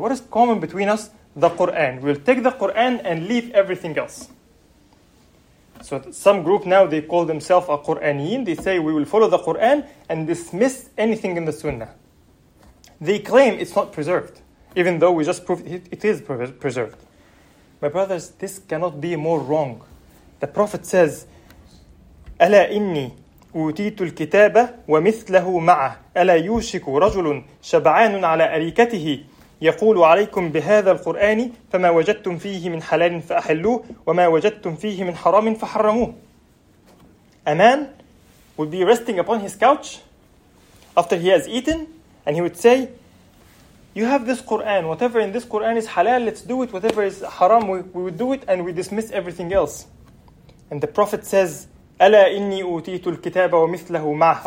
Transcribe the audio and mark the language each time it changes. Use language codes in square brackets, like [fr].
[en] What is common between us? The Qur'an. We'll take the Qur'an and leave everything else. So some group now, they call themselves a Qur'aniyin. They say, we will follow the Qur'an and dismiss anything in the Sunnah. They claim it's not preserved, even though we just proved it is preserved. My brothers, this cannot be more wrong. The Prophet says, [ar] أَلَا إِنِّي أُوتِيتُ الْكِتَابَ وَمِثْلَهُ مَعَهُ أَلَا يُوشِكُ رَجُلٌ شَبْعَانٌ عَلَىٰ أَرِيكَتِهِ يقول عليكم بهذا القرآن فما وجدتم فيه من حلال فأحلوه وما وجدتم فيه من حرام فحرموه. [en] A man would be resting upon his couch after he has eaten, and he would say, you have this Quran, whatever in this Quran is halal, let's do it. Whatever is haram, we would do it, and we dismiss everything else. And the Prophet says, [ar] أَلَا إِنِّي أُوتِيتُ الْكِتَابَ وَمِثْلَهُ مَعْهُ.